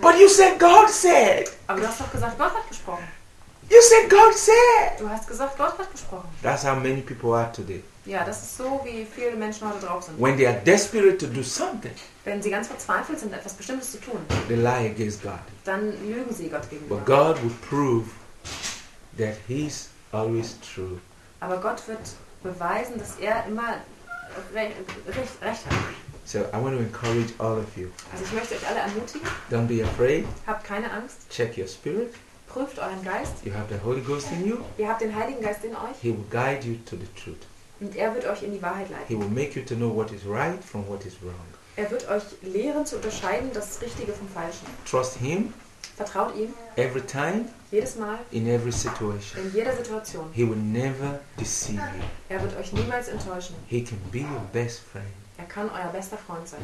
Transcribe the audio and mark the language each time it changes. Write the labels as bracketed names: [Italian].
[English] But you said God said. [German] Aber du hast doch gesagt, Gott hat gesprochen. [English] You said God said. [German] Du hast gesagt, Gott hat gesprochen. [English] That's how many people are today. [German] Ja, das ist so, wie viele Menschen heute drauf sind. [English] When they are desperate to do something. [German] Wenn sie ganz verzweifelt sind, etwas Bestimmtes zu tun. [English] They lie against God. [German] Dann lügen sie Gott gegenüber. [English] But God will prove that He's always true. [German] Aber Gott wird beweisen, dass er immer recht hat. [English] So I want to encourage all of you. [German] Also ich möchte euch alle ermutigen. [English] Don't be afraid. [German] Habt keine Angst. [English] Check your spirit. [German] Prüft euren Geist. [English] You have the Holy Ghost in you. [German] Ihr habt den Heiligen Geist in euch. [English] He will guide you to the truth. [German] Und er wird euch in die Wahrheit leiten. [English] He will make you to know what is right from what is wrong. [German] Er wird euch lehren zu unterscheiden das Richtige vom Falschen. [English] Trust him. [German] Vertraut ihm. [English] Every time. [German] Jedes Mal. [English] In every situation. [German] In jeder Situation. [English] He will never deceive you. [German] Er wird euch niemals enttäuschen. [English] He can be your best friend. [German] Er kann euer bester Freund sein.